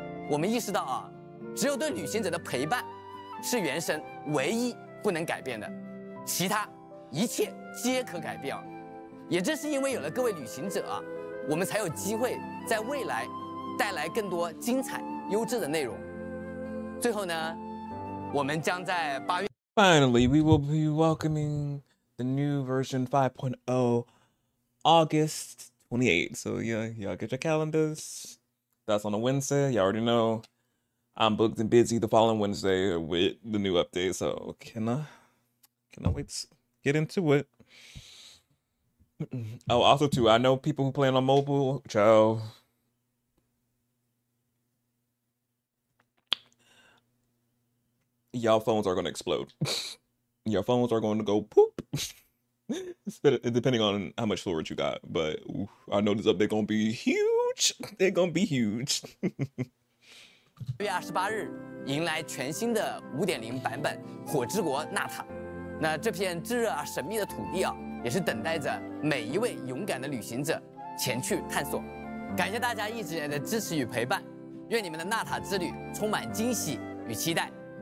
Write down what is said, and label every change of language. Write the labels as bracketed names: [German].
[Chinese] 我们意识到啊，只有对旅行者的陪伴是原神唯一不能改变的，其他一切皆可改变。也正是因为有了各位旅行者啊，我们才有机会在未来带来更多精彩优质的内容。最后呢，我们将在八月 [English] Finally we will be welcoming the new version 5.0 August 28th. So yeah, y'all get your calendars. That's on a Wednesday, y'all already know I'm booked and busy the following Wednesday with the new update, so can I wait to get into it? Oh, also too, I know people who play on mobile. Ciao. Y'all phones are going to explode. Your phones are going to go poop. Depending on how much storage you got, but I know this update going to be huge. It's going to be huge. [Chinese] 月二十八日迎来全新的 5.0 版本火之国纳塔，那这片炙热而神秘的土地啊，也是等待着每一位勇敢的旅行者前去探索。感谢大家一直以来的支持与陪伴，愿你们的纳塔之旅充满惊喜与期待。